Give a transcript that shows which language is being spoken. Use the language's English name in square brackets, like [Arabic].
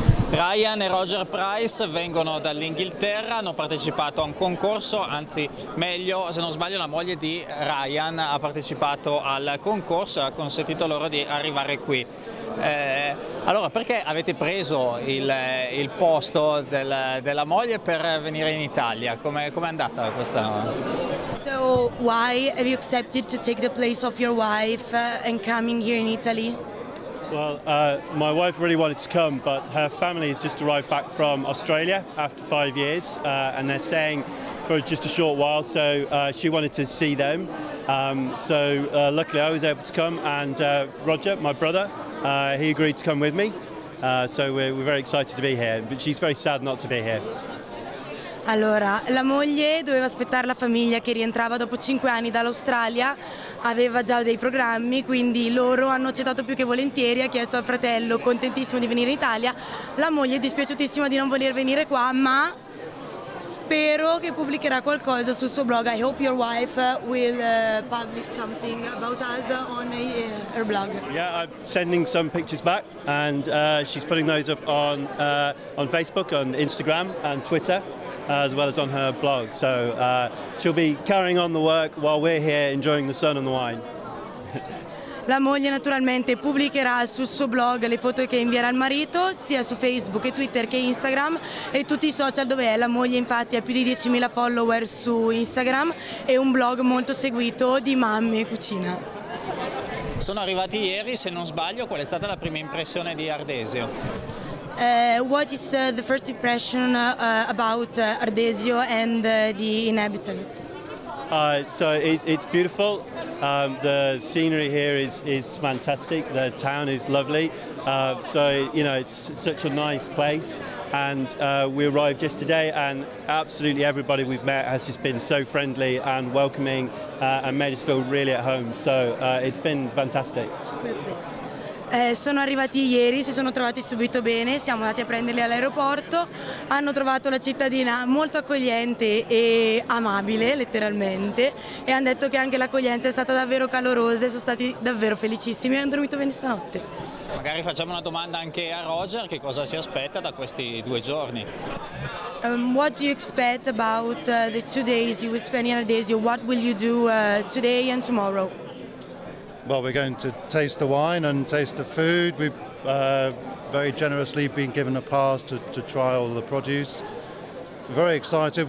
[Italian] Ryan e Roger Price vengono dall'Inghilterra, hanno partecipato a un concorso, anzi meglio, se non sbaglio, la moglie di Ryan ha partecipato al concorso e ha consentito loro di arrivare qui. Allora, perché avete preso il posto della moglie per venire in Italia? Com'è andata questa? [English] So why have you accepted to take the place of your wife and coming here in Italy? Well, my wife really wanted to come, but her family has just arrived back from Australia after 5 years, and they're staying for just a short while, so she wanted to see them. So luckily I was able to come, and Roger, my brother, he agreed to come with me. So we're very excited to be here, but she's very sad not to be here. [Italian] Allora, la moglie doveva aspettare la famiglia che rientrava dopo 5 anni dall'Australia, aveva già dei programmi, quindi loro hanno accettato più che volentieri, ha chiesto al fratello, contentissimo di venire in Italia. La moglie è dispiaciutissima di non voler venire qua, ma spero che pubblicherà qualcosa sul suo blog. [English] I hope your wife will publish something about us on her blog. Yeah, I'm sending some pictures back and she's putting those up on Facebook, on Instagram and Twitter. As well as on her blog, so she'll be carrying on the work while we're here enjoying the sun and the wine. [Italian] La moglie naturalmente pubblicherà sul suo blog le foto che invierà al marito, sia su Facebook e Twitter che Instagram e tutti i social dove è. La moglie infatti ha più di 10.000 follower su Instagram e un blog molto seguito di mamme e cucina. Sono arrivati ieri, se non sbaglio, qual è stata la prima impressione di Ardesio? [English] What is the first impression about Ardesio and the inhabitants? So it's beautiful. The scenery here is fantastic. The town is lovely. It's such a nice place. And we arrived yesterday, and absolutely everybody we've met has just been so friendly and welcoming, and made us feel really at home. So it's been fantastic. [Italian] Sono arrivati ieri, si sono trovati subito bene, siamo andati a prenderli all'aeroporto, hanno trovato la cittadina molto accogliente e amabile, letteralmente, e hanno detto che anche l'accoglienza è stata davvero calorosa e sono stati davvero felicissimi e hanno dormito bene stanotte. Magari facciamo una domanda anche a Roger, che cosa si aspetta da questi due giorni? [English] What do you expect about the 2 days you will spend in Ardesio? What will you do today and tomorrow? Well, we're going to taste the wine and taste the food. We've very generously been given a pass to try all the produce. Very excited.